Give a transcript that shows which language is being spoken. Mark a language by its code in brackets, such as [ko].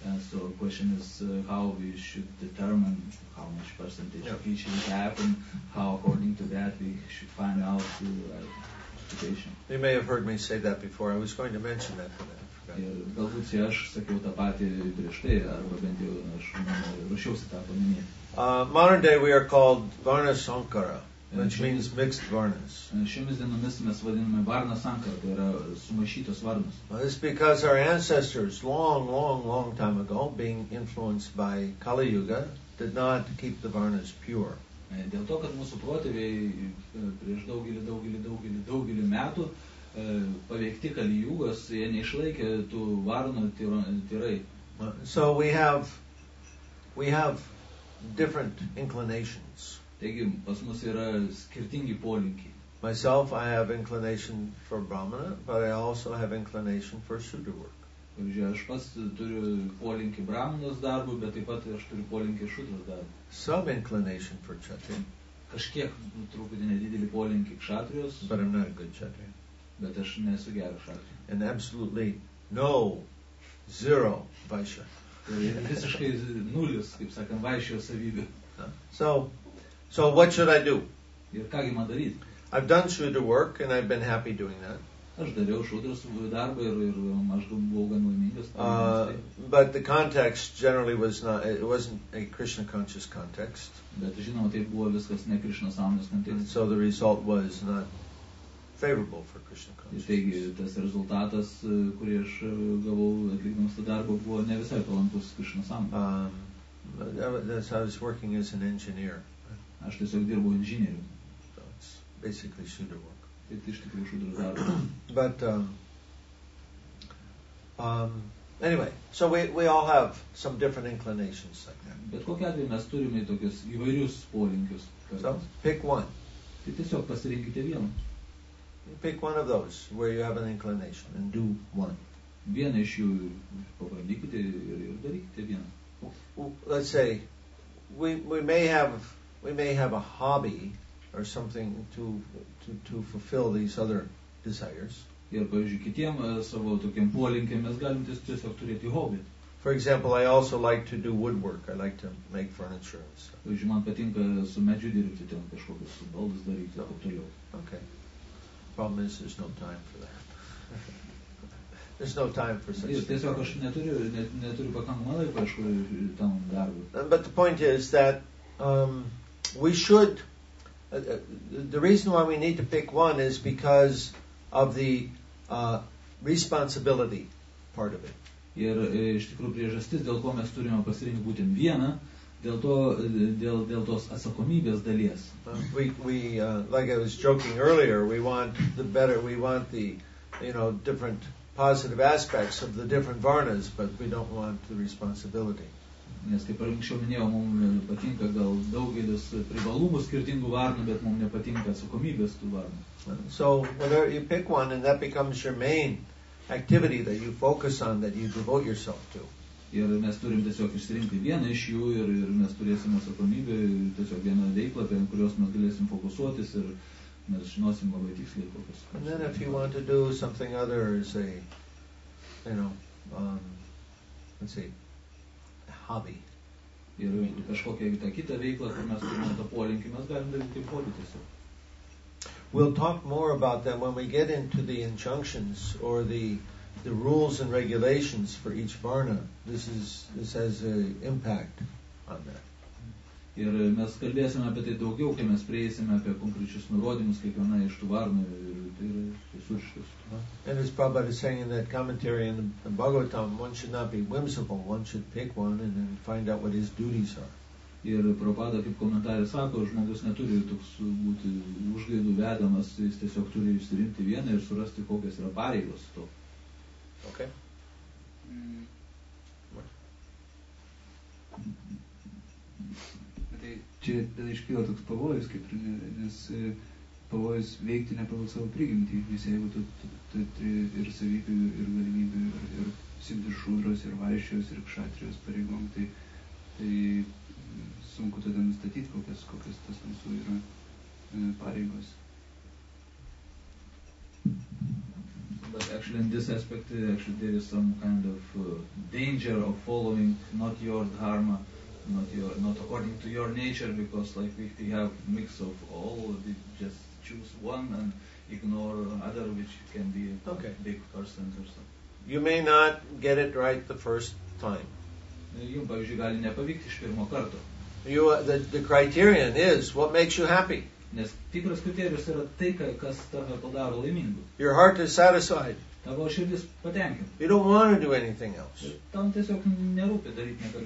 [en] So the question is how we should determine how much percentage of each should happen, how according to that we should find out the education. You may have heard me say that before. I was going to mention that today. [lt] Ir galbūt čia aš sakiau tą patį prieš tai, arba bent jau aš ruošiausi tą paminėti. [en] Modern day we are called Varna Sankara, which means mixed varnas. [lt] Šiomis dienomis mes vadiname Varna Sankara, tai yra sumaišytos varnos. [en] This is because our ancestors long, long, long time ago, being influenced by Kali Yuga, did not keep the varnas pure. [lt] Dėl to, kad mūsų protėviai prieš daugelį metų paveikti Kali Jugos, jie neišlaikė tų varnų tyrai. [en] So we have different inclinations. [lt] Taigi, pas mus yra skirtingi polinkiai. [en] Myself, I have inclination for Brahmana, but I also have inclination for Sudra work. [lt] Aš pas turiu polinkį Brahmanos darbų, bet taip pat aš turiu polinkį Sudra darbų. [en] Some inclination for Kshatriya. [lt] Kažkiek truputį nedidelį polinkį Kshatriyos. [en] But I'm not a good Kshatriya. [lt] Bet aš nesu geras šatrijas. [en] And absolutely no, zero vaishya. [lt] Visiškai nulis, kaip sakant, vaishyo savybė. [en] So what should I do? [lt] Ir ką gi man daryti? [en] I've done shudra work and I've been happy doing that. [lt] Aš dariau šudras darbą ir aš buvau gan laimingas. [en] But the context generally was not, it wasn't a Krishna conscious context. [lt] Bet žinoma, tai buvo viskas ne Krishna sąmonės kontekste. [en] So the result was not favorable for Krishna consciousness. [lt] Taigi, tas rezultatas, kurį aš gavau atlikdamas tą darbą, buvo ne visai palankus Krishna [en] sampradai. I was working as an engineer. [lt] Aš tiesiog dirbau inžinieriu. [en] That's basically shudra work. [lt] Tai iš tikrųjų shudra darbas. [en] But anyway, so we all have some different inclinations like that. [lt] Bet kokiu atveju mes turime tokius įvairius polinkius. [en] So, pick one. [lt] Tai tiesiog pasirinkite vieną. [en] Pick one of those where you have an inclination and do one. [lt] Vieną iš jų pabandykite ir darykite vieną. [en] Let's say we may have a hobby or something to fulfill these other desires. [lt] Ir pavyzdžiui, kitiem savo tokiem polinkiam mes galim tiesiog turėti hobį. [en] For example, I also like to do woodwork. I like to make furniture. [lt] Pavyzdžiui, man patinka su medžiu dirbti, ten kažkokius baldus daryti, taip toliau. [en] Okay. Problem is, there's no time for that. There's no time for such things. But the point is that we should. The reason why we need to pick one is because of the responsibility part of it. [lt] Ir iš tikrųjų priežastis, dėl ko mes turime pasirinkti būtent vieną, dėl to, dėl tos atsakomybės dalies. [en] Like I was joking earlier, we want the better, we want the, you know, different positive aspects of the different varnas, but we don't want the responsibility. [lt] Nes kaip anksčiau minėjau, mums patinka gal daugelis privalumų skirtingų varnų, bet mums nepatinka atsakomybės tų varnų. [en] So, whenever you pick one and that becomes your main activity that you focus on, that you devote yourself to. [lt] Ir mes turim tiesiog išsirinkti vieną iš jų ir mes turėsim atsakomybę tiesiog vieną veiklą, apie kurios mes galėsim fokusuotis ir mes žinosim labai tiksliai kokius. [en] And then if you want to do something other, say, you know, let's see, a hobby. [lt] Ir kažkokia ta kita veikla, kur mes turime tą polinkį, mes galim daryti hobby tiesiog. [en] We'll talk more about that when we get into the injunctions or the rules and regulations for each varna. This has an impact on that. [lt] Ir mes kalbėsime apie tai daugiau, kai mes prieisime apie konkrečius nurodymus kiekvieną iš tų varnų. [en] And as Prabhupada is saying in that commentary in the Bhagavatam, one should not be whimsical, one should pick one and then find out what his duties are. [lt] Ir Prabhupada, kaip komentarė sako, žmogus neturi toks būti užgaidų vedamas, jis tiesiog turi išsirinkti vieną ir surasti, kokias yra pareigos to. Ok. Tai čia tada iškyla toks pavojus, kaip, nes pavojus veikti ne pagal savo prigimtį, nes jeigu tu turi ir savybių, ir galimybių, ir simti šūdros, ir vaišijos, ir kšatrijos pareigom, tai sunku tada nustatyti, kokias tas mūsų yra pareigos. [en] But actually in this aspect, actually there is some kind of danger of following not your dharma, not according to your nature, because like if you have mix of all, you just choose one and ignore other, which can be okay. A big person or something. You may not get it right the first time. [lt] Jums, pavyzdžiui, gali nepavykti iš pirmo karto. [en] The criterion is what makes you happy. [lt] Nes tikras kriterijus yra tai, kas tave padaro laimingu. [en] Your heart is satisfied. [lt] Tavo širdis patenkinta. [en] You don't want to do anything else. [lt] Tam tiesiog nerūpi daryti nieko.